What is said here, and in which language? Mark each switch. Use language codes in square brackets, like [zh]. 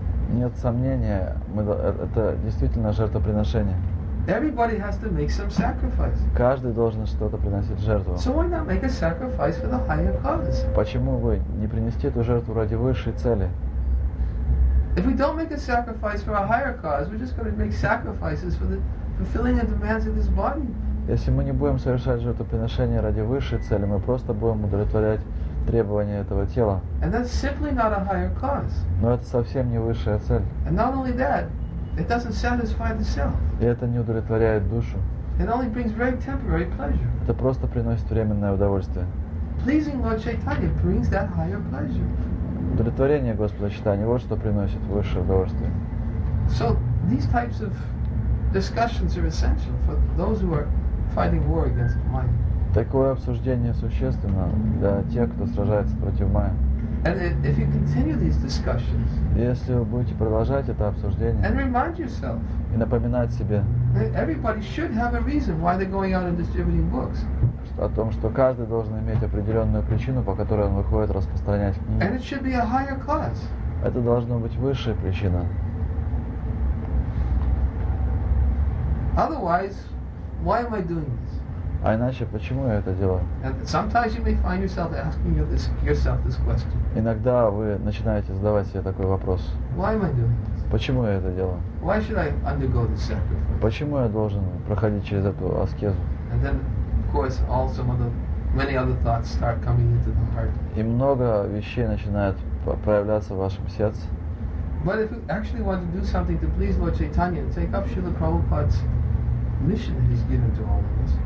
[ru] Нет сомнения, это действительно жертвоприношение. [en] Everybody has to make some sacrifice. [ru] Каждый должен что-то приносить в жертву. [en] So why not make a sacrifice for the higher cause? [ru] Почему бы не принести эту жертву ради высшей цели? [en] If we don't make a sacrifice for a higher cause, we're just going to make sacrifices for the fulfilling the demands of this body. [ru] Если мы не будем совершать жертвоприношение ради высшей цели, мы просто будем удовлетворять требования этого тела. [en] And that's simply not a higher cause. [ru] Но это совсем не высшая цель. [en] And not only that. It doesn't satisfy the self. [ru] И это не удовлетворяет душу. [en] It only brings very temporary pleasure. [ru] Это просто приносит временное удовольствие. [en] Pleasing Lord Chaitanya brings that higher pleasure. [ru] Удовлетворение Господа Чайтаньи вот что приносит высшее удовольствие. [en] So these types of discussions are essential for those who are fighting war against Maya. [ru] Такое обсуждение существенно для тех, кто сражается против Майи. [en] And if you continue these discussions, [ru] если вы будете продолжать это обсуждение, [en] and remind yourself, [ru] и напоминать себе, [en] everybody should have a reason why they're going out and distributing books. [ru] О том, что каждый должен иметь определенную причину, по которой он выходит распространять книги. [en] And it should be a higher cause. [ru] Это должна быть высшая причина. [en] Otherwise, why am I doing this? [ru] А иначе почему я это делаю? [en] And sometimes you may find yourself asking yourself this question. [ru] Иногда вы начинаете задавать себе такой вопрос. [en] Why am I doing this? [ru] Почему я это делаю? [en] Why should I undergo this sacrifice? [ru] Почему я должен проходить через эту аскезу? [en] And then, of course, all some of the many other thoughts start coming into the heart. [ru] И много вещей начинают проявляться в вашем сердце. [en] But if you actually want to do something to please Lord Chaitanya, take up Srila Prabhupada's mission that he's given to all of us.